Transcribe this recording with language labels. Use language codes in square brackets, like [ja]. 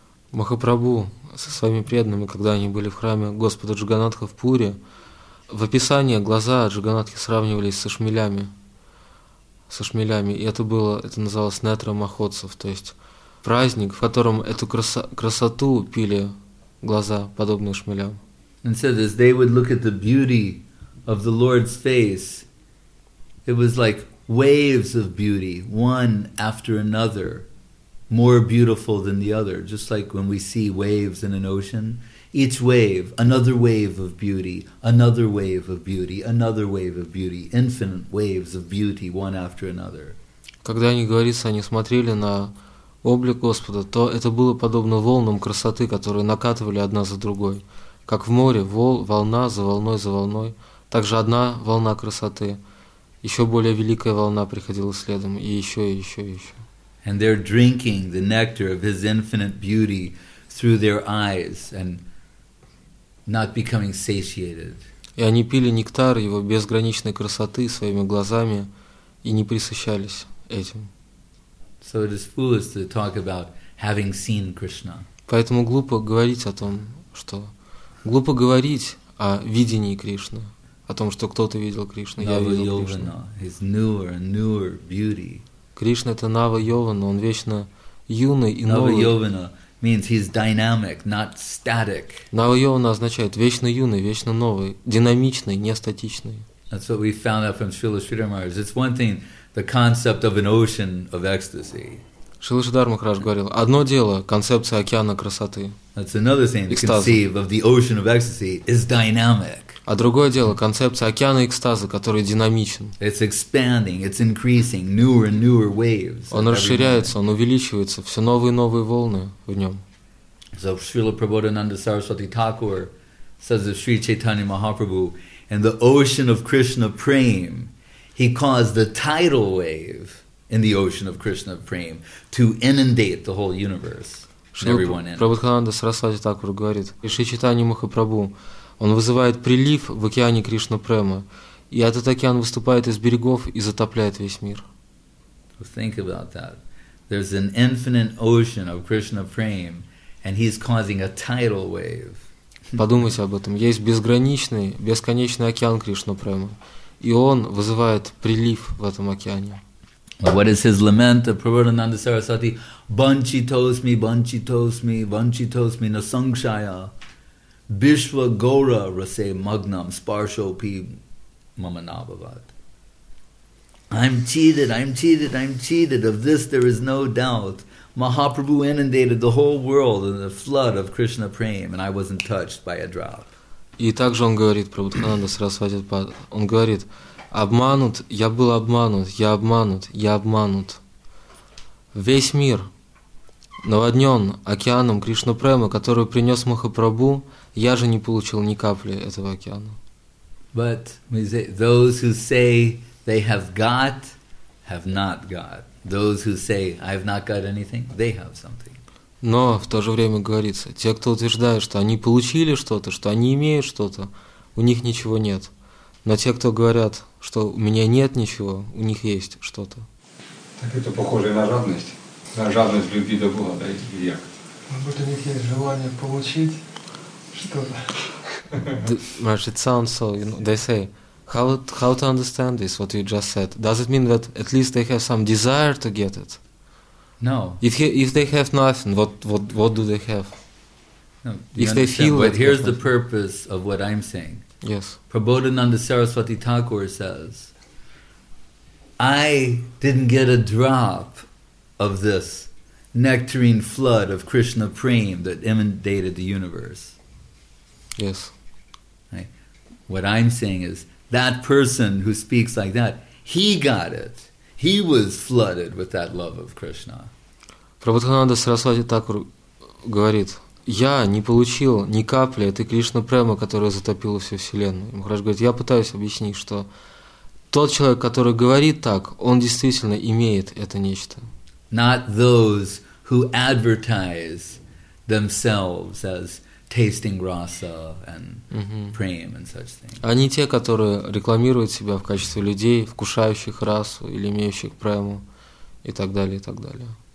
[ru] Махапрабху со своими преданными, когда они были в храме Господа Джаганатха в Пуре, в описании глаза Джаганатхи сравнивались со шмелями. И это было, это называлось нетра махотсов, то есть праздник, в котором эту красоту пили глаза, подобные шмелям. [en] And so as they would look at the beauty of the Lord's face, it was like waves of beauty, one after another, more beautiful than the other, just like when we see waves in an ocean. Each wave, another wave of beauty, another wave of beauty, another wave of beauty, infinite waves of beauty, one after another. [ru] Когда они, говорится, они смотрели на облик Господа, то это было подобно волнам красоты, которые накатывали одна за другой, как в море, волна за волной за волной, также одна волна красоты, еще более великая волна приходила следом, и еще, и еще, и еще. [en] And they're drinking the nectar of his infinite beauty through their eyes and not becoming satiated. [ru] И они пили нектар его безграничной красоты своими глазами и не присыщались этим. [en] So it is foolish to talk about having seen Krishna. [ru] Поэтому глупо говорить о том, что глупо говорить о видении Кришны, о том, что кто-то видел Кришну, я видел Кришну. [en] His newer and newer beauty. [ru] Кришна — это Нава Йована, он вечно юный и новый. [en] Нава Йована means he's dynamic, not static. [ru] Нава Йована означает вечно юный, вечно новый, динамичный, не статичный. [en] That's what we found out from Srila Sridhar Maharaj. It's one thing, the concept of an ocean of ecstasy. [ru] Шрила Шридхар Махарадж говорил, одно дело — концепция океана красоты, [en] that's another thing, [ru] экстаза. [en] To conceive of the ocean of ecstasy is dynamic. [ru] А другое дело — концепция океана экстаза, который динамичен. [en] It's expanding, it's increasing, newer and newer waves. [ru] Он расширяется, он увеличивается, все новые и новые волны в нем. [en] So Srila Prabodhananda Saraswati Thakur says of Sri Chaitanya Mahaprabhu, in the ocean of Krishna Prem, he caused the tidal wave in the ocean of Krishna Prem to inundate the whole universe and everyone in it. [ru] Prabhupada Saraswati Thakur говорит, и Шри Чайтанья Махапрабху, он вызывает прилив в океане Кришна Према, и этот океан выступает из берегов и затопляет весь мир. [en] Think about that. There's an infinite ocean of Krishna Prem, and he's causing a tidal wave. [ru] Подумайте об этом. Есть безграничный, бесконечный океан Кришна Према, и он вызывает прилив в этом океане. [en] What is his lament of Prabodhananda Saraswati? [sa] Banchitosmi, banchitosmi, banchitosmi na sangshaya. Bishwa gora rase magnam sparshopi mamanabhavat. [en] I'm cheated. Of this there is no doubt. Mahaprabhu inundated the whole world in the flood of Krishna Prem, and I wasn't touched by a drop. [ru] И также он говорит, Прабхупада Сарасвати, он говорит, обманут, я был обманут, я обманут, я обманут. Весь мир наводнен океаном Кришна Према, который принес Махапрабху, я же не получил ни капли этого океана. But we say, those who say they have not got. Those who say I have not got anything, they have something. Но в то же время говорится, те, кто утверждают, что они получили что-то, что они имеют что-то, у них ничего нет. Но те, кто говорят, что у меня нет ничего, у них есть что-то. Так это похоже на жадность. На жадность любви до Бога, да, и грех. Вот у них есть желание получить что-то. [en] Right, it sounds so, you know, they say, how to understand this, what you just said? Does it mean that at least they have some desire to get it? No. If they have nothing, what do they have? No, if they feel but here's the purpose of what I'm saying. Yes. Prabodhananda Saraswati Thakur says, I didn't get a drop of this nectarine flood of Krishna Prem that inundated the universe. Yes. Right? What I'm saying is, that person who speaks like that, he got it. He was flooded with that love of Krishna. [ru] Prabodhananda Saraswati Thakur говорит, я не получил ни капли этой Кришна Према, которая затопила всю Вселенную. Махарадж говорит, я пытаюсь объяснить, что тот человек, который говорит так, он действительно имеет это нечто. [en] Not those who advertise themselves as tasting rasa and prem and such things. [ru] А не те, которые рекламируют себя в качестве людей, вкушающих расу или имеющих прему и так далее, и так далее.